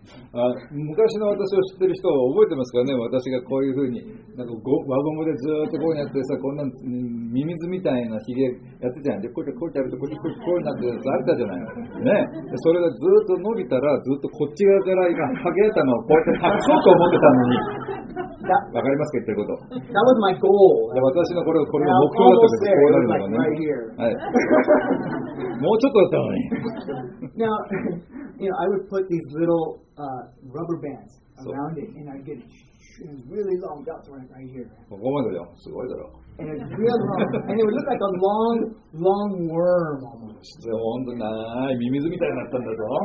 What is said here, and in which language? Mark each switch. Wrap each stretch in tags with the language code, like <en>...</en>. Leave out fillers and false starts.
<ja>But, 昔の私を知ってる人は覚えてますかね、私がこういうふうになんか輪ゴムでずっとこうやってさ、こんなミミズみたいなヒゲやってたじゃん。で、こうやってこうやってやると、こうやってやるとあったじゃない、ね。それがずっと伸びたら、ずっとこっち側から今、ハゲたのをこうやって隠そうと思ってたのに。わかりますか、言ってること。</ja> <en>That was my goal.</en> <ja>私のこれが目標だったんです。こうなるのがね。はい、もうちょっとだったのに。</ja> <en>Now, you know, I would put these little、rubber bands around it, and I'd get really long belts right here.</en> <ja>ここまでだよ。すごいだろ。</ja> <en>And it's really long. And it would look like a long, long worm almost.</en> <ja>本当に長いミミズみたいになったんだぞ。</ja>